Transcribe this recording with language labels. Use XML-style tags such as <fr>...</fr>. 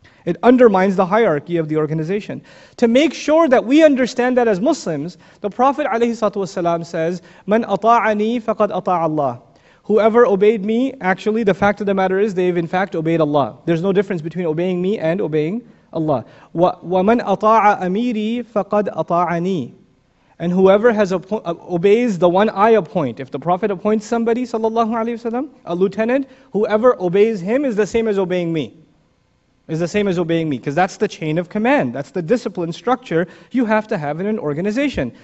<en>It undermines the hierarchy of the organization. To make sure that we understand that as Muslims, the Prophet ﷺ says,</en> <ar>"Man ata'ani faqad ata'a Allah."</ar> <en>Whoever obeyed me, actually, the fact of the matter is, they've in fact obeyed Allah. There's no difference between obeying me and obeying Allah.</en> <ar>وَمَنْ أَطَاعَ أَمِيرِي فَقَدْ أَطَاعَنِي.</ar> <en>And whoever has obeys the one I appoint. If the Prophet appoints somebody, sallallahu alayhi wasallam, a lieutenant, whoever obeys him is the same as obeying me. Is the same as obeying me. Because that's the chain of command. That's the discipline structure you have to have in an organization.</en>